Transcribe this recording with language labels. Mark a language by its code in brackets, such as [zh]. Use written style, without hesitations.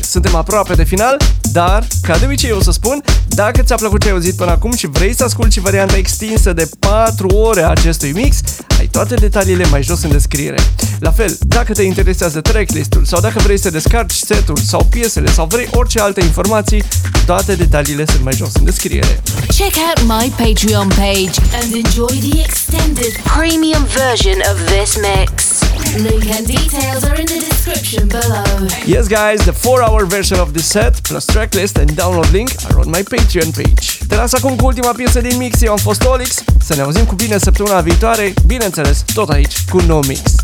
[ro] Suntem aproape de final, dar, ca de obicei eu să spun, dacă ți-a plăcut ce ai auzit până acum și vrei să asculti varianta extinsă de 4 ore a acestui mix, ai toate detaliile mai jos în descriere. La fel, dacă te interesează tracklist-ul sau dacă vrei să descarci setul sau piesele sau vrei orice alte informații, toate detaliile sunt mai jos în descriere. [en] Check out my Patreon page and enjoy the extended premium version of this mix. Link and details are in the description below. Yes guys, the 4-hour version of this set plus tracklist and download link are on my Patreon page. [ro] Te las acum cu ultima piesă din mix, eu am fost OLiX. Să ne auzim cu bine săptămâna viitoare, bineînțeles, tot aici cu un nou mix.